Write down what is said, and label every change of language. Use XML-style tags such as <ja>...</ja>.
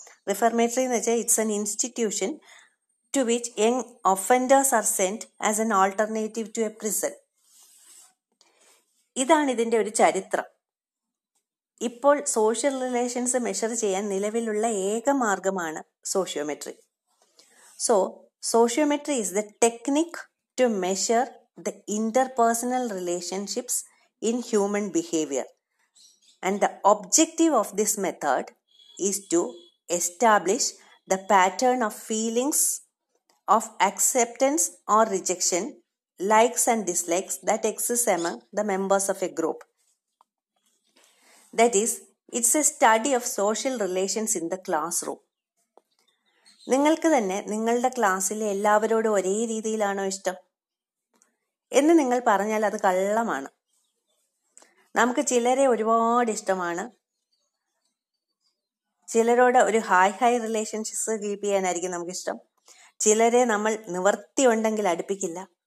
<en>Reformatory means it's an institution to which young offenders are sent as an alternative to a prison.</en> <ml>ഇതാണ് ഇതിൻ്റെ ഒരു ചരിത്രം. ഇപ്പോൾ social relations measure ചെയ്യാൻ നിലവിലുള്ള ഏക മാർഗമാണ് sociometry.</ml> <en>So sociometry is the technique to measure the interpersonal relationships in human behaviour. And the objective of this method is to establish the pattern of feelings of acceptance or rejection, likes and dislikes that exist among the members of a group. That is, it's a study of social relations in the classroom.</en> <ml>നിങ്ങൾക്ക് തന്നെ നിങ്ങളുടെ ക്ലാസ്സിലെ എല്ലാവരോടും ഒരേ രീതിയിലാണോ ഇഷ്ടം എന്ന് നിങ്ങൾ പറഞ്ഞാൽ അത് കള്ളമാണ്. നമുക്ക് ചിലരെ ഒരുപാട് ഇഷ്ടമാണ്, ചിലരോട് ഒരു ഹൈ റിലേഷൻഷിപ്സ് കീപ്പ് ചെയ്യാനായിരിക്കും നമുക്കിഷ്ടം, ചിലരെ നമ്മൾ നിവർത്തിയുണ്ടെങ്കിൽ അടുപ്പിക്കില്ല.</ml>